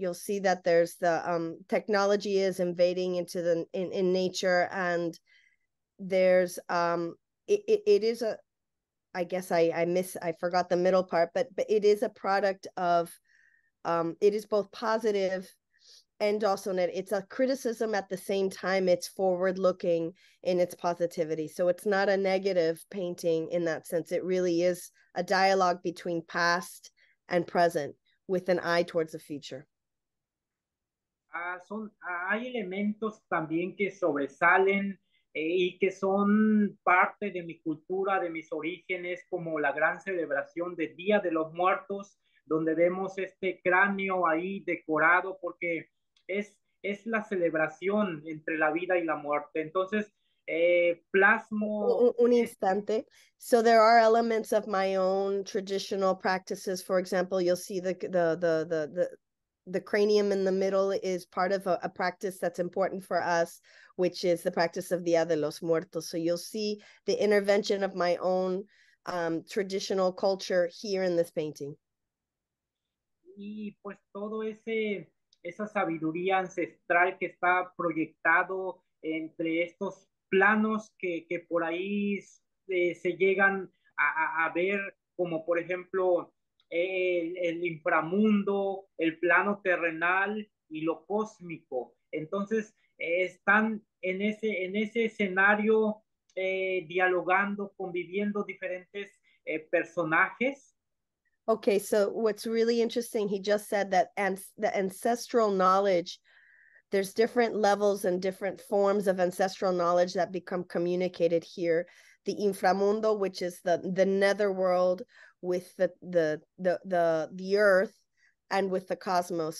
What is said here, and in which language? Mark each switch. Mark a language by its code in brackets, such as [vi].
[en] You'll see that there's the technology is invading into the in nature, and there's I forgot the middle part, but it is a product of it is both positive and also net. It's a criticism at the same time. It's forward looking in its positivity, so it's not a negative painting in that sense. It really is a dialogue between past and present with an eye towards the future. [es] Hay elementos también que sobresalen y que son parte de mi cultura, de mis orígenes, como la gran celebración del Día de los Muertos, donde vemos este cráneo ahí decorado, porque es la celebración entre la vida y la muerte. Entonces, plasmo... Un instante. [en] So there are elements of my own traditional practices. For example, you'll see the cranium in the middle is part of a practice that's important for us, which is the practice of Día de los Muertos. So you'll see the intervention of my own traditional culture here in this painting. [es] Y pues todo esa sabiduría ancestral que está proyectado entre estos planos que por ahí se llegan a ver, como por ejemplo el inframundo, el plano terrenal y lo cósmico. Entonces están en ese escenario dialogando, conviviendo diferentes personajes. [en] Okay, so what's really interesting, he just said that the ancestral knowledge, there's different levels and different forms of ancestral knowledge that become communicated here. The inframundo, which is the netherworld with the earth and with the cosmos.